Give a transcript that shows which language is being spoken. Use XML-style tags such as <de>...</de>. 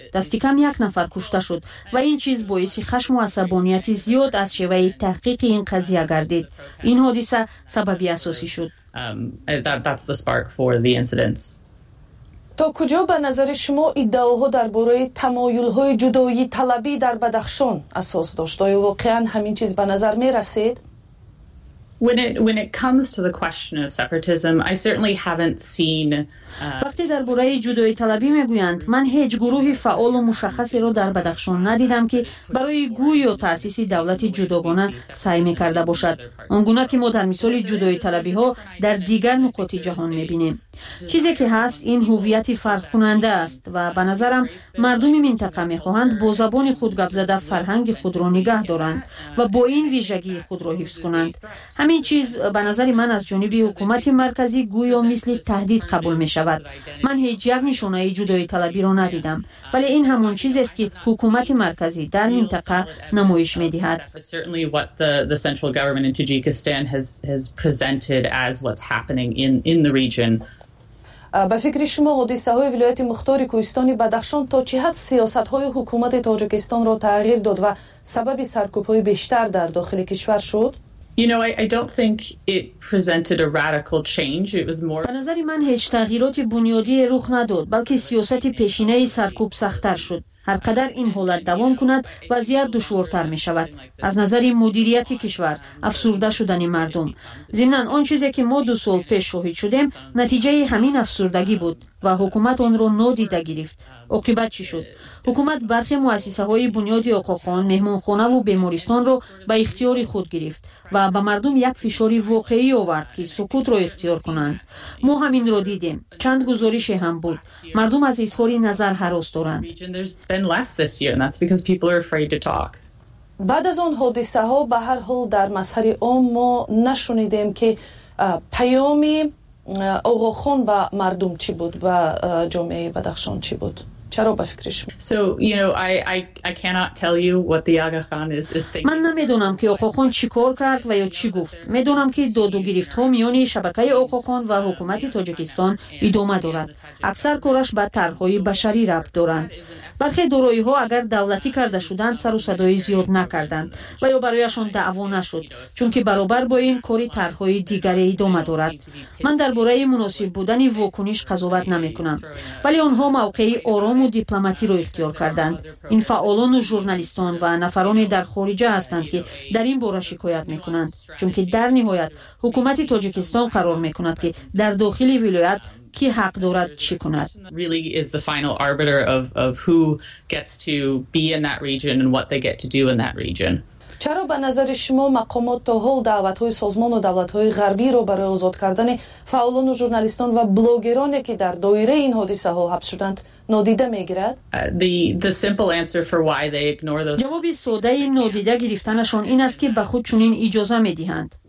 <tg>Дасти кам як нафар кушта шуд, ва ин чиз боиси хашму асабонияти зиёд аз шеваи таҳқиқи ин қазия гардид. Ин ҳодиса сабаби асосӣ шуд.</tg> <en>That's the spark for the incidents.</en> <tg>То куҷо ба назари шумо иддаоҳо дар бораи тамоюлҳои ҷудои талабӣ дар Бадахшон асос дошт? Оё воқеан ҳамин чиз ба назар мерасед?</tg> <en>When it comes to the question of separatism, I certainly haven't seen</en> <tg>وقتی درباره جدایی طلبی میگویند من هیچ گروهی فعال و مشخصی را در بدخشان ندیدم که برای گوی و تاسیس دولت جداگانه سعی میکرده باشد آنگونه که ما در مثال جدایی طلبی ها در دیگر نقاط جهان میبینیم چیزی که هست این هویت فرق کننده است و به نظرم مردم منطقه میخواهند با زبان خود گپ زده فرهنگ خود را نگه دارند و با این ویژگی خود را حفظ کنند همین چیز به نظر من از جانب حکومت مرکزی گویا مثل تهدید قبول می شود. من هیچ یک نشانه جدایی طلبی را ندیدم ولی این همون چیز است که حکومت مرکزی در منطقه نمایش می دهد. به فکر شما حادثه های ولایت مختار کوهستان بدخشان تا چه حد سیاست های حکومت تاجیکستان را تغییر داد و سبب سرکوب های بیشتر در داخل کشور شد؟</tg> <en>I don't think it presented a radical change. It was more</en> <tg>به نظر من هیچ تغییراتی بنیادی رخ نداد، بلکه سیاست پیشینه سرکوب سخت‌تر شد. هرقدر این حالت دوام کند، وضعیت دشوارتر می‌شود. از نظر مدیریت کشور، افسرده شدن مردم. ضمناً آن چیزی که ما دو سال پیش شاهد شدیم، نتیجه همین افسردگی بود و حکومت آن را نادیده گرفت. عاقبت چی شد؟ حکومت برخی مؤسسه های بنیادی آقاخان، مهمانخانه و بیمارستان را به اختیار خود گرفت و به مردم یک فشاری واقعی آورد که سکوت را اختیار کنند. ما همین را دیدیم. چند گزارش هم بود. مردم از اظهار نظر هراس دارند. بعد از آن حادثه ها به هر حال در مظهر عام ما نشنیدیم که پیام آقاخان به مردم چی بود و جامعه بدخشان چی بود؟ چرا به فکرش؟</tg> <en>I cannot tell you what the Aga Khan is thinking.</en> <tg>من نمیدونم که آقاخان چی کار کرد و یا چی گفت. میدونم که دادو گرفت ها میان شبکه آقاخان و حکومت تاجیکستان ادامه دارد. اکثر کارش به طرح‌های بشری ربط دارند. برخی دارایی ها اگر دولتی کرده شدند سر و صدای زیاد نکردند و یا برایشان دعوا نشد چون که برابر با این کاری طرح‌های دیگری ادامه دارد. من درباره مناسب بودن واکنش قضاوت نمی‌کنم. ولی آنها موقعی آرام و دیپلماتی را اختیار کردند. این فعالان و ژورنالیستان و نفرانی در خارجه هستند که در این باره شکایت میکنند. چون که در نهایت حکومت تاجیکستان قرار میکند که در داخل ولایت کی حق دارد چی کند.</tg> <en>Really is the final arbiter of who gets to be in that region and what they get to do in that region.</en> <tg>چرا به نظر شما مقامات تا حال دعوت های سازمان و دولت های غربی را برای آزاد کردن فعالان و ژورنالیستان و بلاگرانی که در دایره این حادثه ها حبس شدند نادیده می گیرد؟ جواب ساده این نادیده گرفتنشان این است که به خود چنین اجازه می دهند.</tg>